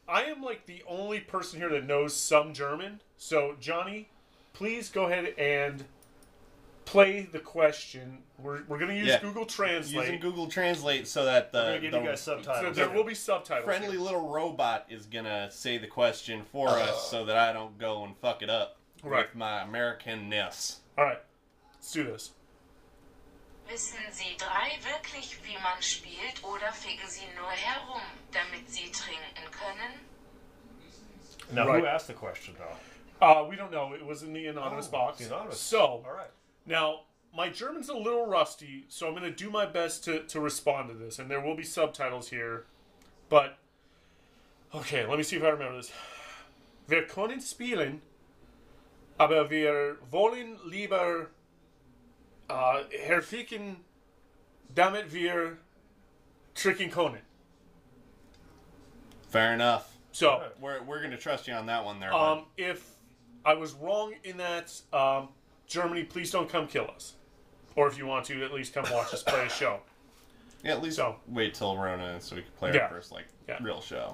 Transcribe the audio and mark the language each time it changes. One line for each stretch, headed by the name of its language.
English: I am like the only person here that knows some German. So, Johnny, please go ahead and play the question. We're going to use Google Translate. Using Google Translate so that the... We're going to give you guys subtitles. So there will be subtitles. Friendly little robot is going to say the question for us so that I don't go and fuck it up right. with my American-ness. All right. Let's do this.
German: Wissen Sie drei wirklich, wie man spielt, oder ficken Sie nur herum, damit Sie trinken können?
English: Now, who asked the question, though? We don't know. It was in the anonymous box. The anonymous. So... All right. Now, my German's a little rusty, so I'm going to do my best to respond to this. And there will be subtitles here. But, okay, let me see if I remember this.
German: Wir können spielen, aber wir wollen lieber herficken, damit wir tricken können.
English: Fair enough. So, we're going to trust you on that one there. If I was wrong in that... Germany, please don't come kill us. Or if you want to, at least come watch us play a show. Yeah, at least wait till Rona so we can play our first real show.